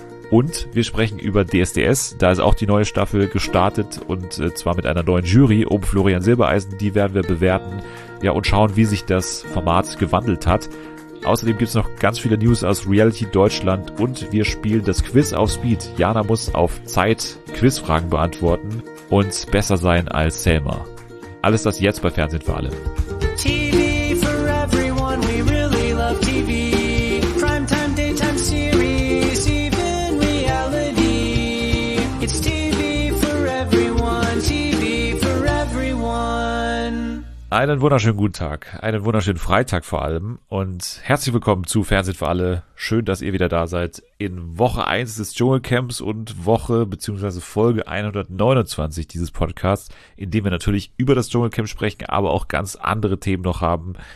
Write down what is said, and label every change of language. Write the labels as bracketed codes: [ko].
[de] Und wir sprechen über DSDS, da ist auch die neue Staffel gestartet und zwar mit einer neuen Jury um Florian Silbereisen, die werden wir bewerten, ja, und schauen, wie sich das Format gewandelt hat. Außerdem gibt es noch ganz viele News aus Reality Deutschland und wir spielen das Quiz auf Speed. Jana muss auf Zeit Quizfragen beantworten und besser sein als Selma. Alles das jetzt bei Fernsehen für alle. [en] TV for everyone, we really love TV. Primetime, daytime series, even reality. It's TV for everyone, TV for everyone. [de] Einen wunderschönen guten Tag, einen wunderschönen Freitag vor allem und herzlich willkommen zu Fernsehen für alle. Schön, dass ihr wieder da seid in Woche 1 des Dschungelcamps und Woche bzw. Folge 129 dieses Podcasts, in dem wir natürlich über das Dschungelcamp sprechen, aber auch ganz andere Themen noch haben.